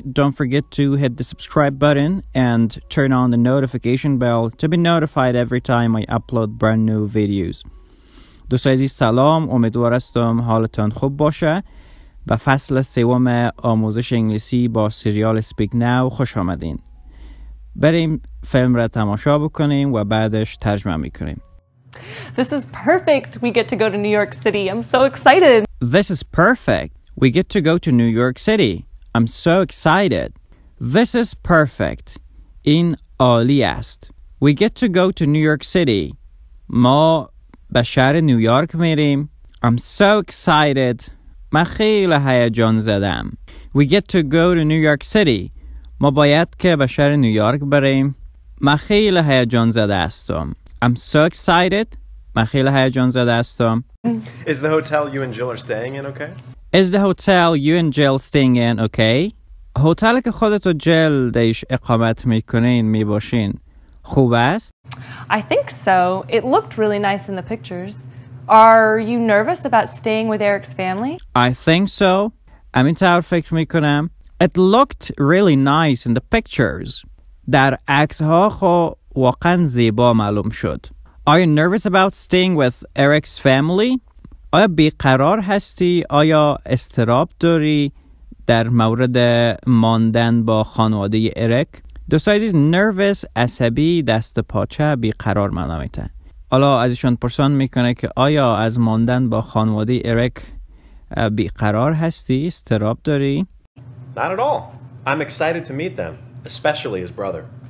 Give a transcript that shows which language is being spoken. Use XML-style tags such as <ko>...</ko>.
<en>Don't forget to hit the subscribe button and turn on the notification bell to be notified every time I upload brand new videos.</en> <fa>دوستای عزیز سلام، امیدوار هستم حالتان خوب باشه. به فصل سوم آموزش انگلیسی با سریال اسپیک ناو خوش آمدین. بریم فیلم را تماشا بکنیم و بعدش ترجمه میکنیم.</fa> <en>This is perfect. We get to go to New York City. I'm so excited. This is perfect. We get to go to New York City. I'm so excited. This is perfect.</en> <fa>این عالی است.</fa> <en>We get to go to New York City.</en> <fa>ما به شهر نیویورک میریم.</fa> <en>I'm so excited.</en> <fa>من خیلی هیجان زدم.</fa> <en>We get to go to New York City.</en> <fa>ما باید که به شهر نیویورک بریم. من خیلی هیجان زده هستم.</fa> <en>I'm so excited.</en> <fa>من خیلی هیجان زده هستم.</fa> <en>Is the hotel you and Jill are staying in okay? Is the hotel you and Jill staying in okay?</en> <fa>هتلی که خودت و جل دیش اقامت میکنین میباشین خوب است؟</fa> <en>I think so. It looked really nice in the pictures. Are you nervous about staying with Eric's family? I think so.</en> <fa>همین طور فکر میکنم.</fa> <en>It looked really nice in the pictures.</en> <fa>در عکس ها خوب واقعا زیبا معلوم شد.</fa> <en>Are you nervous about staying with Eric's family?</en> <fa>آیا بیقرار هستی؟ آیا استراب داری در مورد ماندن با خانواده اریک؟ دوستای عزیز nervous عصبی دست پاچه بیقرار معنا میده. حالا ازشون پرسان میکنه که آیا از ماندن با خانواده اریک بیقرار هستی؟ استراب داری؟</fa> <en>Not at all. I'm excited to meet them, especially his brother.</en>